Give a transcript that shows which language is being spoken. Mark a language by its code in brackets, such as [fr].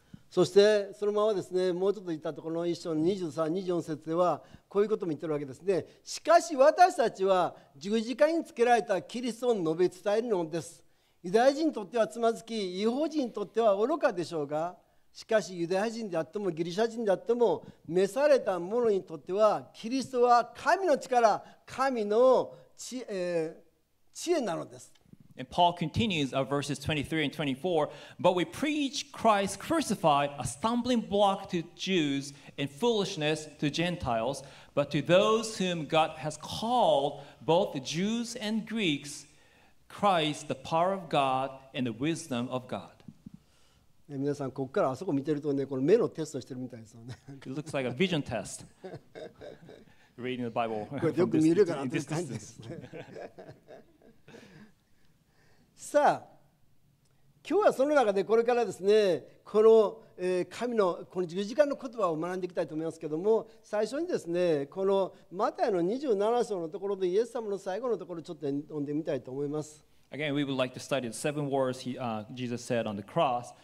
[ja] そしてそのままですね、もうちょっと言ったところの一章の23、24節では、こういうことも言ってるわけですね。しかし私たちは十字架につけられたキリストを述べ伝えるのです。ユダヤ人にとってはつまずき、異邦人にとっては愚かでしょうが、しかしユダヤ人であってもギリシャ人であっても、召された者にとってはキリストは神の力、神の 知恵なのです。 [en] And Paul continues at verses 23 and 24, but we preach Christ crucified, a stumbling block to Jews and foolishness to Gentiles, but to those whom God has called, both Jews and Greeks, Christ, the power of God and the wisdom of God. It looks like a vision test. reading the Bible from this distance. [ja] さあ、今日はその中でこれからですね、この神のこの十字架の言葉を学んでいきたいと思いますけども、最初にですね、このマタイの27章のところでイエス様の最後のところをちょっと読んでみたいと思います。 [en] Again, we would like to study the seven words Jesus said on the cross.